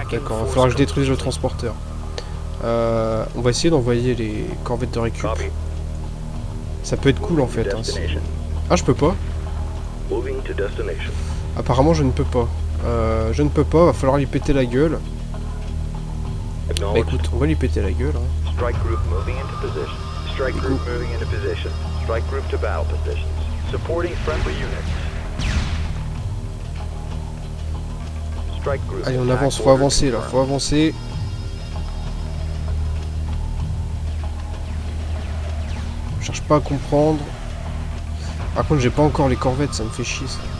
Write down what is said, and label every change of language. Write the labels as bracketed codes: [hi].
[fr] D'accord, il va falloir que je détruise le transporteur. On va essayer d'envoyer les corvettes de récup. [en] Copy. [fr] Ça peut être cool, en fait. Hein, si... Ah, je peux pas. [en] Moving to destination. [fr] Apparemment, je ne peux pas. Je ne peux pas, va falloir lui péter la gueule. Bah écoute, on va lui péter la gueule, hein. [en] Strike group moving into position. Strike group moving into position. Strike group to battle positions. Supporting friendly units. Strike group. [fr] Allez, on avance, faut avancer là, faut avancer. Je cherche pas à comprendre. Par contre, j'ai pas encore les corvettes, ça me fait chier ça.